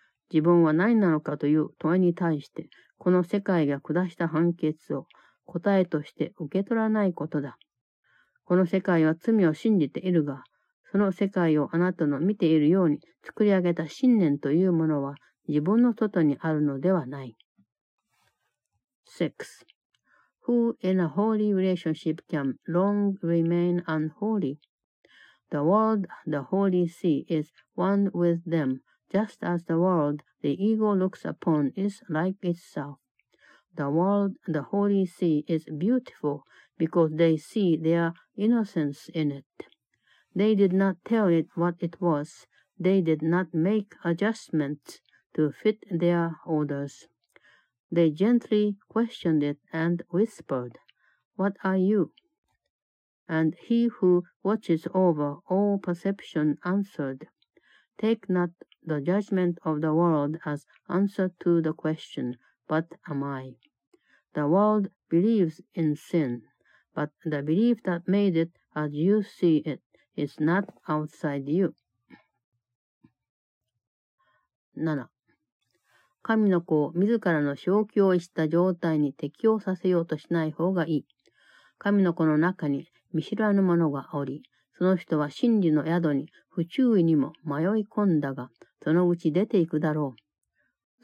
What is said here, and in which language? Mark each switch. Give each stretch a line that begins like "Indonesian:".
Japanese: 自分は何なのかという問いに対して、この世界が下した判決を答えとして受け取らないことだ。この世界は罪を信じているが、その世界をあなたの見ているように作り上げた信念というものは自分の外にあるのではない。 6.
English: Who in a holy relationship can long remain unholy? The world the holy see is one with them, just as the world the ego looks upon is like itself. The world the holy see is beautiful because they see their innocence in it. They did not tell it what it was. They did not make adjustments to fit their orders. They gently questioned it and whispered, What are you? And he who watches over all perception answered, Take not the judgment of the world as answer to the question, What am I? The world believes in sin, but the belief that made it as you see itIs not outside you. 7.
Japanese: 神の子を自らの正気を逸した状態に適応させようとしない方がいい。神の子の中に見知らぬ者がおり、その人は真理の宿に不注意にも迷い込んだが、そのうち出ていくだろう。